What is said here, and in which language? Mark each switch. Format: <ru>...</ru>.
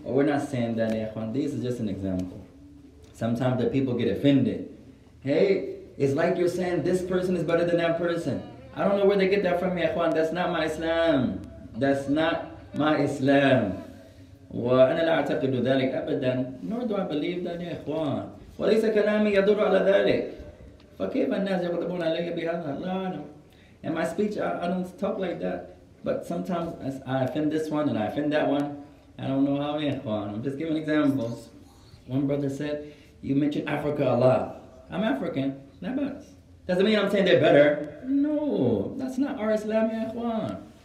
<en>Or we're not saying that, Ikhwan. This is just an example. Sometimes the people get offended. Hey, it's like you're saying this person is better than that person. I don't know where they get that from, Ikhwan. That's not my Islam. That's not my Islam.</en> <ar>وأنا لا أعتقد ذلك أبداً.</ar> <en>Nor do I believe that,</en> <ar>يا إخوان. وليس كلامي يدور على ذلك. فكيف الناس يغضبون علي بهذا؟ لا أنا.</ar> <en>In my speech, I don't talk like that. But sometimes I offend this one and I offend that one. I don't know how,</en> <ar>يا إخوان.</ar> <en>I'm just giving examples. One brother said, "You mentioned Africa a lot." I'm African. Not bad. Doesn't mean I'm saying they're better. No, that's not our Islam,</en> <ar>يا إخوان.</ar>